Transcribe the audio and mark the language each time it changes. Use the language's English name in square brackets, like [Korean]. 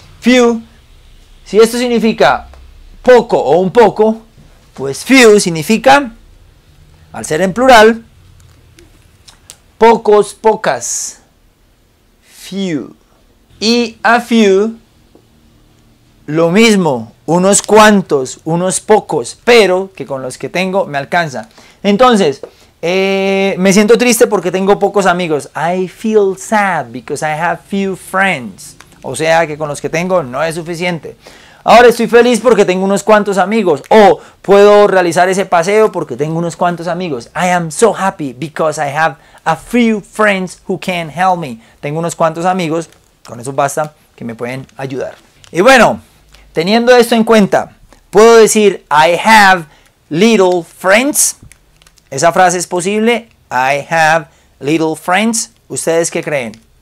[Spanish] Few, si esto significa poco o un poco, pues few significa, al ser en plural, pocos, pocas. Few. Y a few, lo mismo, unos cuantos, unos pocos, pero que con los que tengo me alcanza. Entonces, me siento triste porque tengo pocos amigos. [English] I feel sad because I have few friends. [Spanish] O sea que con los que tengo no es suficiente. Ahora estoy feliz porque tengo unos cuantos amigos. O puedo realizar ese paseo porque tengo unos cuantos amigos. [English] I am so happy because I have a few friends who can help me. [Spanish] Tengo unos cuantos amigos, con eso basta, que me pueden ayudar. Y bueno, teniendo esto en cuenta, puedo decir I have little friends. ¿Esa frase es posible? I have little friends. ¿Ustedes qué creen?